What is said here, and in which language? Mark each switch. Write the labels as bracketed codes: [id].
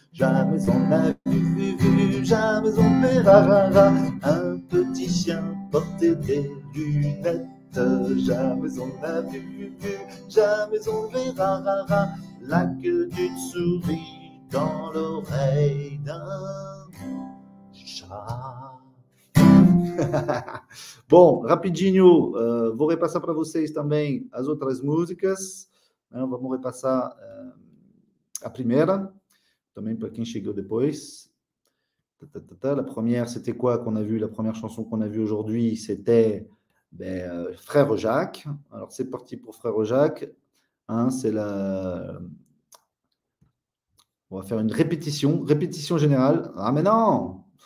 [fr] Jamais on n'a vu. Jamais on verra un petit chien porter des lunettes. Jamais on n'a vu, vu, vu. Jamais on verra la queue d'une souris dans l'oreille d'un chat. [pt] Bon, rapidinho, vou repassar para vocês também as outras músicas. Vamos repassar a primeira, também para quem chegou depois. [fr] La première, c'était quoi qu'on a vu? La première chanson qu'on a vue aujourd'hui, c'était ben, Frère Jacques. Alors, c'est parti pour Frère Jacques. Hein, c'est la... On va faire une répétition. Répétition générale. Ah, mais non!